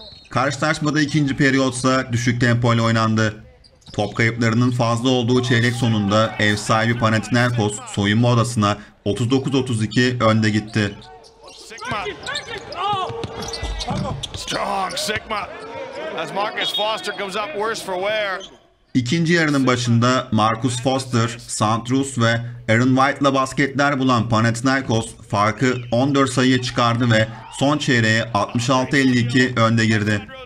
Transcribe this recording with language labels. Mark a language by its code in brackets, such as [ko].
[tr] Karşılaşmada ikinci periyotsa düşük tempo ile oynandı. Top kayıplarının fazla olduğu çeyrek sonunda ev sahibi Panathinaikos soyunma odasına 39-32 önde gitti. [en] Strong Sigma. As Marcus Foster comes up worse for wear. [tr] İkinci yarının başında Marcus Foster, Santrus ve Aaron White'la basketler bulan Panathinaikos farkı 14 sayıya çıkardı ve son çeyreğe 66-52 önde girdi.